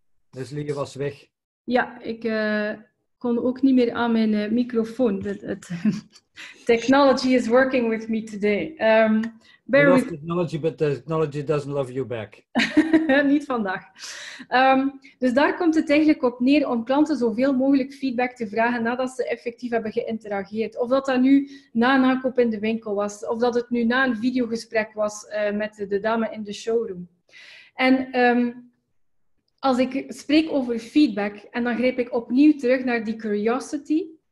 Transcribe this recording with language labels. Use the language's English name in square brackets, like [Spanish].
[Dutch] Leslie, je was weg. Ja, ik Ik kon ook niet meer aan mijn microfoon. [English] Technology is working with me today. Technology, but the technology doesn't love you back. [Dutch] Niet vandaag. Dus daar komt het eigenlijk op neer om klanten zoveel mogelijk feedback te vragen nadat ze effectief hebben geïnterageerd. Of dat dat nu na een aankoop in de winkel was. Of dat het nu na een videogesprek was met de dame in de showroom. En als ik spreek over feedback, en dan grijp ik opnieuw terug naar die curiosity.